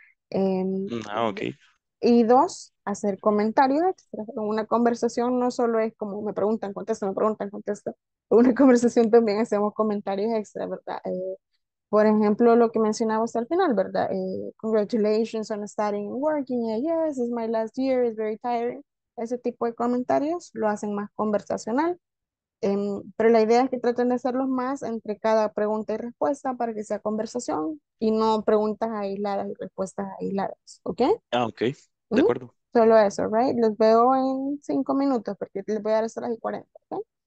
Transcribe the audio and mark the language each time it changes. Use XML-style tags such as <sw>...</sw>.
<en>Okay.</en> <es>Y dos, hacer comentarios extra. Una conversación no solo es como me preguntan, contesto. Una conversación también hacemos comentarios extra, ¿verdad? Por ejemplo, lo que mencionabas al final, ¿verdad?</es> <en>Congratulations on starting and working. Yeah, yes, it's my last year, it's very tiring.</en> <es>Ese tipo de comentarios lo hacen más conversacional. Pero la idea es que traten de hacerlos más entre cada pregunta y respuesta para que sea conversación y no preguntas aisladas y respuestas aisladas, ¿ok? Ah, ok, de acuerdo. Solo eso, ¿right? Los veo en 5 minutos porque les voy a dar hasta las 40, ¿ok?</es>